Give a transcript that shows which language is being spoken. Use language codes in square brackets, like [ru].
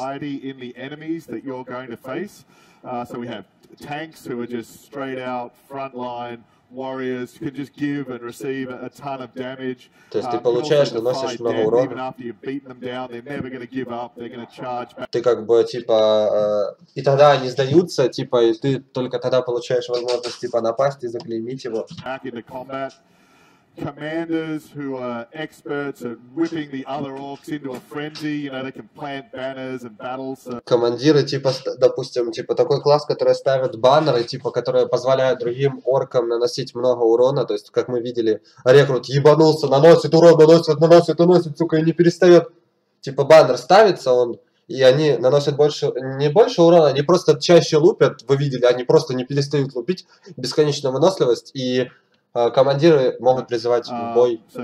[en] In the enemies that you're going to face. So we have tanks who are just straight out frontline warriors who can just give and receive a ton of damage. [ru] То есть ты получаешь, наносишь много урона. [en] Even after you've beaten them down, they're never going to give up. They're going to charge back. [ru] Ты как бы типа и тогда они сдаются, типа, и ты только тогда получаешь возможность типа напасть и заклеймить его. [en] Back into combat. Commanders who are experts at whipping the other orcs into a frenzy. You know they can plant banners and battles. [ru] Командиры типа, допустим, типа такой класс, который ставит баннеры, типа, которые позволяют другим оркам наносить много урона. То есть, как мы видели, рекрут ебанулся, наносит урон, наносит, сука, и не перестает. Типа баннер ставится, он и они наносят больше, не больше урона, они просто чаще лупят, вы видели, они просто не перестают лупить, бесконечная выносливость, и командиры могут призывать в бой.